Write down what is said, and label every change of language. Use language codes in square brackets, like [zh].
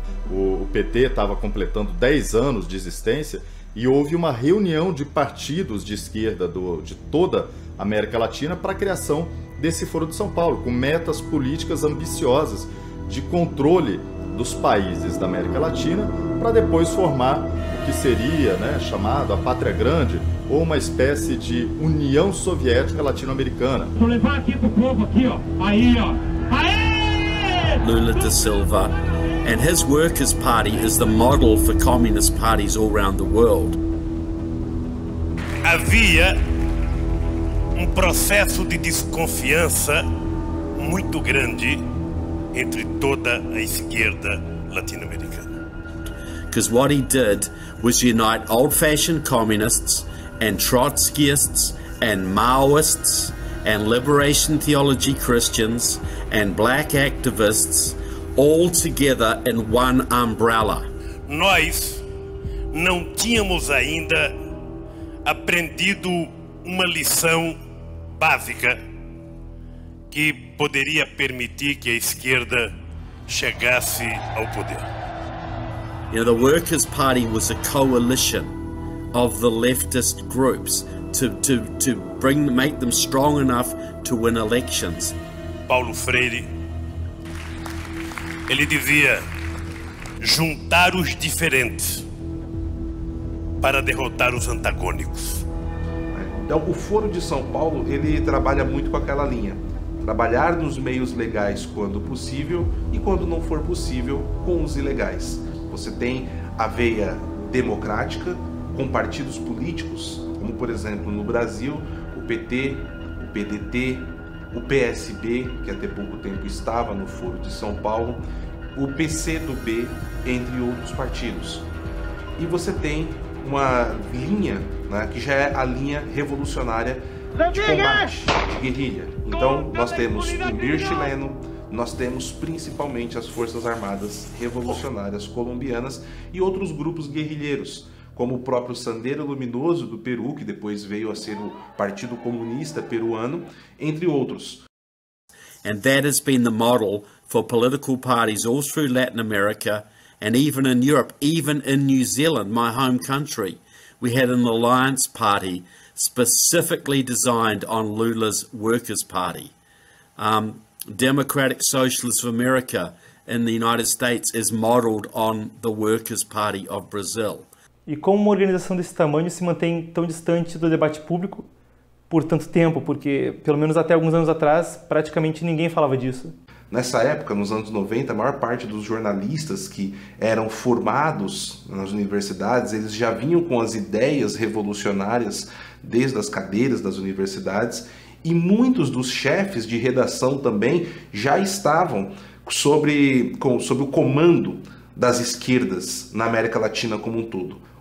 [pt] O PT estava completando 10 anos de existência e houve uma reunião de partidos de esquerda de toda a América Latina para a criação desse Foro de São Paulo, com metas políticas ambiciosas de controle dos países da América Latina, para depois formar o que seria, né, chamado a Pátria Grande, ou uma espécie de União Soviética Latino-Americana. Vou levar aqui pro povo aqui, ó. Aí, ó. Aê! [en] Lula da Silva and his Workers' Party is the model for communist parties all around the world. [pt] Havia um processo de desconfiança muito grande entre toda a esquerda latino-americana. [en] Because what he did was unite old-fashioned communists and Trotskyists and Maoists and liberation theology Christians and black activists all together in one umbrella. [pt] Nós não tínhamos ainda aprendido uma lição básica que poderia permitir que a esquerda chegasse ao poder. [en] You know, the Workers' Party was a coalition of the leftist groups to bring, make them strong enough to win elections. [pt] Paulo Freire, ele dizia, juntar os diferentes para derrotar os antagônicos. Então, o Foro de São Paulo, ele trabalha muito com aquela linha. Trabalhar nos meios legais quando possível e quando não for possível, com os ilegais. Você tem a veia democrática com partidos políticos, como por exemplo no Brasil, o PT, o PDT, o PSB, que até pouco tempo estava no Foro de São Paulo, o PCdoB, entre outros partidos. e você tem uma linha, né, que já é a linha revolucionária de combate de guerrilha. Então, nós temos o MIR chileno, nós temos principalmente as Forças Armadas Revolucionárias Colombianas e outros grupos guerrilheiros, como o próprio Sendero Luminoso do Peru, que depois veio a ser o Partido Comunista Peruano, entre outros. [en] And that has been the model for political parties all through Latin America and even in Europe, even in New Zealand, my home country. We had an alliance party specifically designed on Lula's Workers' Party. Democratic Socialists of America in the United States is modeled on the Workers' Party of Brazil. [pt] E como uma organização desse tamanho se mantém tão distante do debate público por tanto tempo? Porque, pelo menos até alguns anos atrás, praticamente ninguém falava disso. Nessa época, nos anos 90, a maior parte dos jornalistas que eram formados nas universidades, eles já vinham com as ideias revolucionárias desde as cadeiras das universidades, e muitos dos chefes de redação também já estavam sob o comando das esquerdas na América Latina como um todo.